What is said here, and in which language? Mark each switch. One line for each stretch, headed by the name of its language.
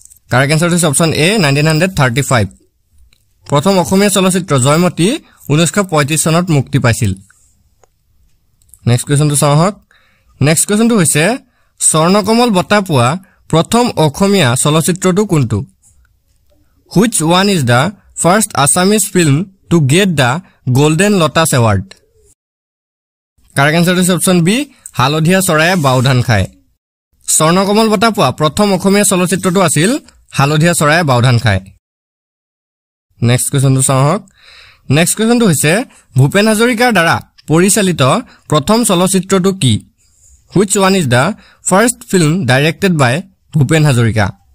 Assamese: Correct এনচাৰটো হৈছে option A, 1935। প্ৰথম অসমীয়া চলচ্চিত্ৰ জয়মতী 1935 চনত মুক্তি পাইছিল। নেক্সট কুৱেশ্যনটো চাওঁহক। নেক্সট কুৱেশ্যনটো হৈছে, স্বৰ্ণকমল বঁটা পোৱা প্ৰথম অসমীয়া চলচ্চিত্ৰটো কোনটো?
English: Which one is the first Assamese film to get the Golden Lotus award?
Assamese: Correct answer হৈছে অপশন বি হালধীয়া চৰায়ে বাউধান খায়। স্বর্ণকমল বঁটা পোৱা প্ৰথম অসমীয়া চলচ্চিত্ৰটো আছিল হালধীয়া চৰায়ে বাউধান খায়। নেক্সট কুৱেশ্চনটো চাওঁক। নেক্সট কুৱেশ্চনটো হৈছে ভূপেন হাজৰিকাৰ দ্বাৰা পৰিচালিত প্ৰথম চলচ্চিত্ৰটো কি?
English: Which one is the first film directed by Bhupen Hazarika?